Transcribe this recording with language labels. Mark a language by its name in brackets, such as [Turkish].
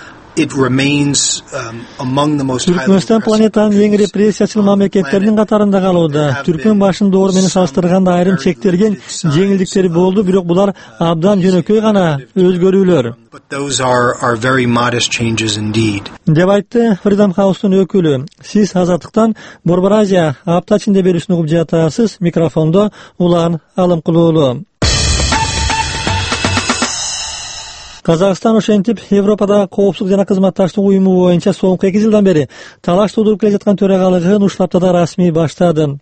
[Kyrgyz] Түркмөнстан планетанын эң репрессиячыл мамлекеттеринин катарында калууда. Түркмөн башын доору менен салыштырганда айрым чектелген жеңилдиктери болду, бирок булар абдан жөнөкөй гана өзгөрүүлөр. [English] But those are very modest changes indeed. [Kyrgyz] Деп айтты Freedom House'тун өкүлү. Сиз азаттыктан Борбор Азия апта ичинде берүүсүн угуп жатасыз. Микрофондо Улан Алымкулуулу. Казакстан ошентип Европада коопсуздук жана кызматташтык уюму боюнча соңку 2 жылдан бери талаш туудуруп келе жаткан төрагалыгын Уштаптада расмий баштады.